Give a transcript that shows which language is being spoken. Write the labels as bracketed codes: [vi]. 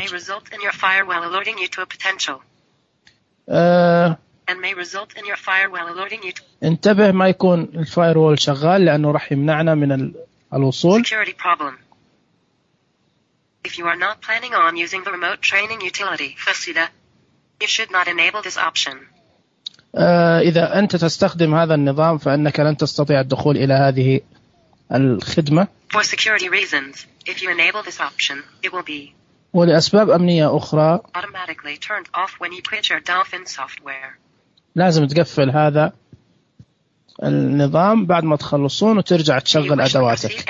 [en] And may result in your firewall alerting you to a potential. And may result in your firewall alerting you to [ar] انتبه ما يكون الفايروول شغال لأنه راح يمنعنا من الوصول. [en] Security problem. If you are not planning on using the remote training utility, Fasida, you should not enable this option. [ar] إذا أنت تستخدم هذا النظام فإنك لن تستطيع الدخول إلى هذه الخدمة. [en] For security reasons, if you enable this option, it will be [ar] ولأسباب أمنية أخرى [en] automatically turned off when you quit your Dolphin software. [ar] لازم تقفل هذا النظام بعد ما تخلصون وترجع تشغل أدواتك.